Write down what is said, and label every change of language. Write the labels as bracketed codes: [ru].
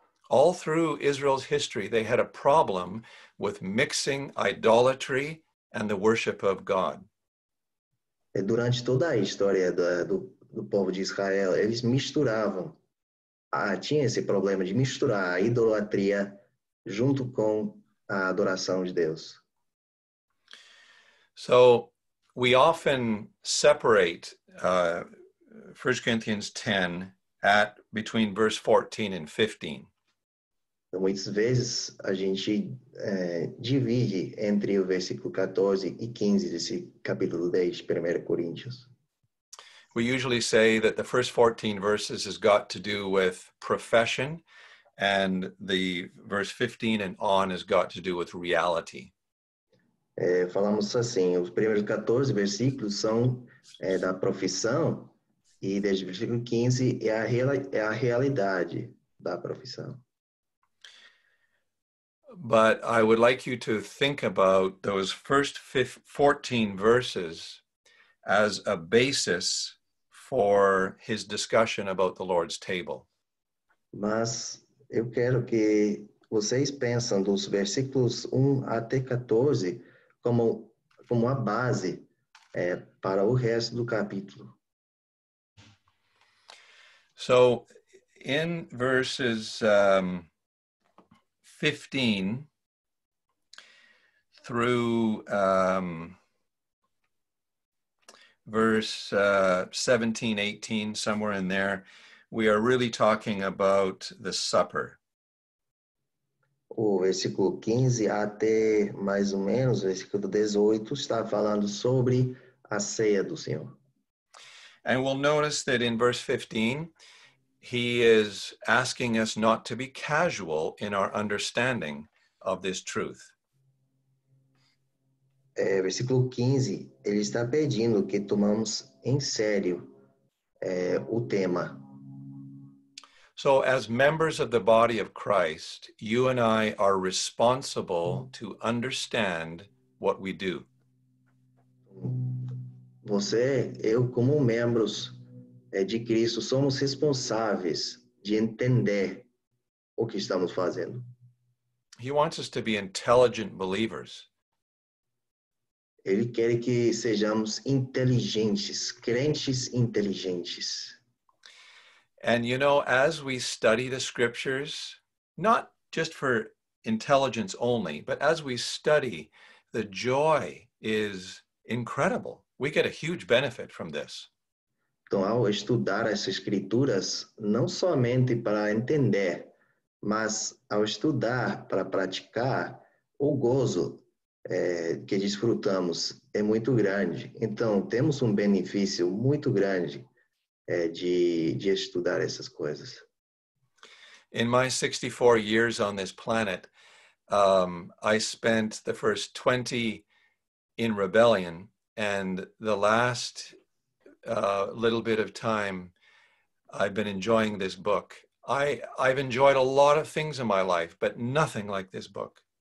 [en] All through Israel's history, they had a problem with mixing idolatry and the worship of God. [pt] Durante toda a história do povo de Israel, eles misturavam. Tinha esse problema de misturar a idolatria junto com a adoração de Deus. [en] So, we often separate 1 Corinthians 10 at between verse 14 and 15. [pt] Então, muitas vezes a gente divide entre o versículo 14 e 15 desse capítulo 10 de 1 Coríntios. [en] We usually say that the first 14 verses has got to do with profession, and the verse 15 and on has got to do with reality. [pt] Falamos assim, os primeiros 14 versículos são da profissão, e desde o versículo 15 é a realidade da profissão. [en] But I would like you to think about those first 14 verses as a basis for his discussion about the Lord's table. [pt] Mas eu quero que vocês pensem dos versículos 1 até 14 como a base para o resto do capítulo. [en] So, in verses 15 through verse 17, 18, somewhere in there, we are really talking about the supper. [pt] O versículo 15 até mais ou menos, o versículo 18, está falando sobre a ceia do Senhor. [en] And we'll notice that in verse 15, he is asking us not to be casual in our understanding of this truth. [pt] Versículo 15, ele está pedindo que tomamos em sério o tema. [en] So, as members of the body of Christ, you and I are responsible to understand what we do. [pt] Você, eu, como membros de Cristo, somos responsáveis de entender o que estamos fazendo. [en] He wants us to be intelligent believers. [pt] Ele quer que sejamos inteligentes, crentes inteligentes. [en] And you know, as we study the scriptures, not just for intelligence only, but as we study, the joy is incredible. We get a huge benefit from this. [pt] Então, ao estudar as escrituras, não somente para entender, mas ao estudar para praticar, o gozo que desfrutamos é muito grande. Então, temos benefício muito grande de estudar essas coisas. [en] In my 64 years on this planet, I spent the first 20 in rebellion, and the last little bit of time I've been enjoying this book. I've enjoyed a lot of things in my life, but nothing like this book.